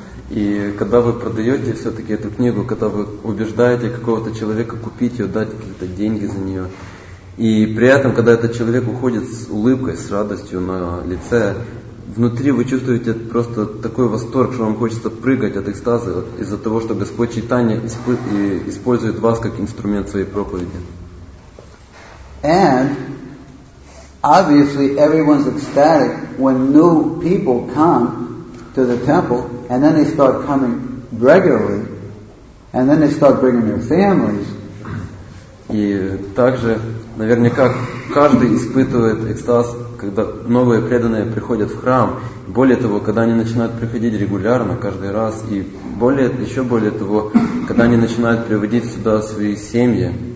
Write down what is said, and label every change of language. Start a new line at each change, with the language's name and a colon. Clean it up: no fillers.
Russian: И когда вы продаете все-таки эту книгу, когда вы убеждаете какого-то человека купить ее, дать какие-то деньги за нее, и при этом, когда этот человек уходит с улыбкой, с радостью на лице, внутри вы чувствуете просто такой восторг, что вам хочется прыгать от экстаза из-за того, что Господь Чайтанья использует вас как инструмент своей проповеди.
English: And obviously everyone's ecstatic when new people come to the temple, and then they start coming regularly, and then they start bringing their families.
Russian: И также Наверняка каждый испытывает экстаз, когда новые преданные приходят в храм. Более того, когда они начинают приходить регулярно каждый раз, и еще более того, когда они начинают приводить сюда свои семьи.